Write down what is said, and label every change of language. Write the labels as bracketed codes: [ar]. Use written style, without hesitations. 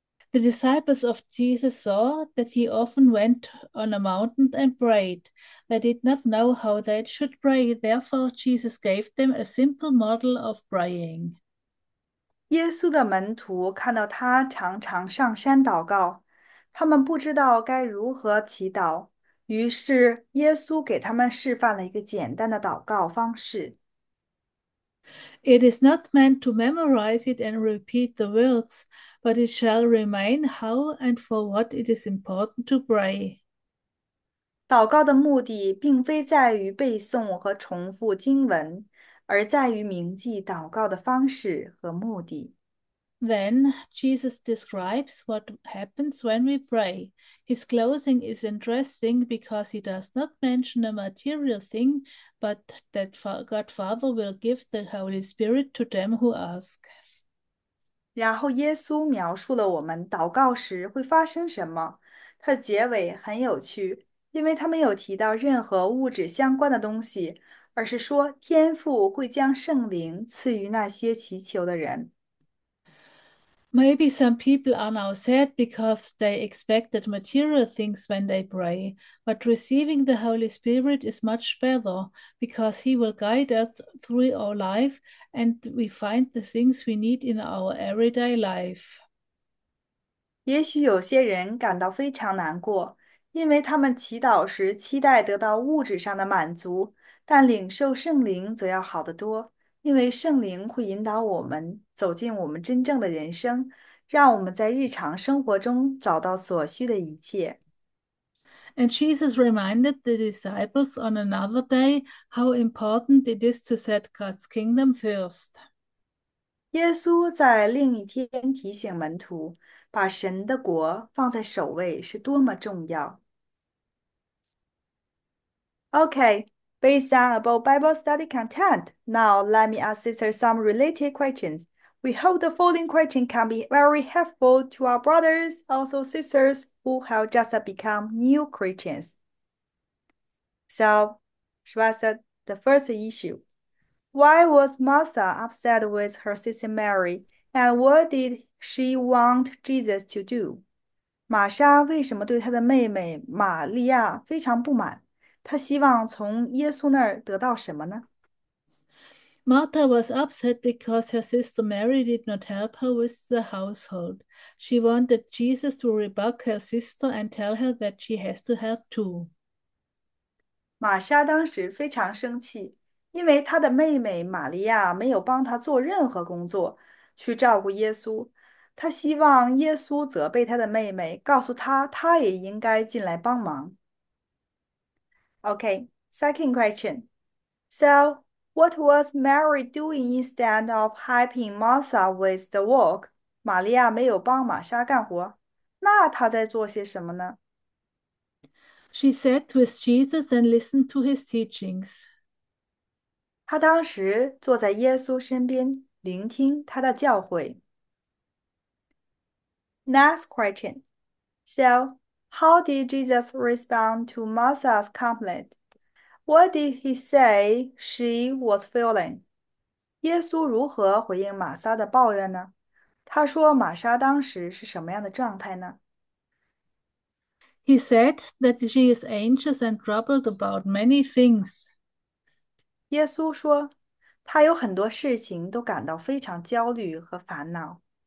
[en] The disciples of Jesus saw that he often went on a mountain and prayed. They did not know how they should pray, therefore, Jesus gave them a simple model of praying. [zh] 耶稣的门徒看到他常常上山祷告，他们不知道该如何祈祷，于是耶稣给他们示范了一个简单的祷告方式。 [en] It is not meant to memorize it and repeat the words, but it shall remain how and for what it is important to pray. [zh] 祷告的目的并非在于背诵和重复经文，而在于铭记祷告的方式和目的。 [en] Then Jesus describes what happens when we pray. His closing is interesting because he does not mention a material thing, but that God Father will give the Holy Spirit to them who ask. [zh] 然后耶稣描述了我们祷告时会发生什么，它的结尾很有趣，因为他没有提到任何物质相关的东西。而是说，天父会将圣灵赐予那些祈求的人。 [en] Maybe some people are now sad because they expected material things when they pray, but receiving the Holy Spirit is much better because He will guide us through our life and we find the things we need in our everyday life. [zh] 也许有些人感到非常难过，因为他们祈祷时期待得到物质上的满足。但领受圣灵则要好得多，因为圣灵会引导我们走进我们真正的人生，让我们在日常生活中找到所需的一切。 [en] And Jesus reminded the disciples on another day how important it is to set God's kingdom first. [zh] 耶稣在另一天提醒门徒，把神的国放在首位是多么重要。 [en] OK。 Based on above Bible study content, now let me ask sister some related questions. We hope the following question can be very helpful to our brothers, also sisters, who have just become new Christians. So, Shwasa, the first issue. Why was Martha upset with her sister Mary, and what did she want Jesus to do? [zh] 玛莎为什么对她的妹妹玛利亚非常不满？他希望从耶稣那儿得到什么呢？ [en] Martha was upset because her sister Mary did not help her with the household. She wanted Jesus to rebuke her sister and tell her that she has to help too. [zh] 玛莎当时非常生气，因为她的妹妹玛利亚没有帮她做任何工作，去照顾耶稣。她希望耶稣责备她的妹妹，告诉她她也应该进来帮忙。 [en] Okay, second question. So, what was Mary doing instead of helping Martha with the work? [zh] 玛利亚没有帮玛莎干活，那她在做些什么呢？ [en] She sat with Jesus and listened to his teachings. [zh] 她当时坐在耶稣身边，聆听他的教诲。 [en] Next question. So, how did Jesus respond to Martha's complaint? What did he say she was feeling? [zh] 耶稣如何回应玛莎的抱怨呢？他说玛莎当时是什么样的状态呢？ [en] He said that she is anxious and troubled about many things. [zh] 耶稣说，他有很多事情都感到非常焦虑和烦恼。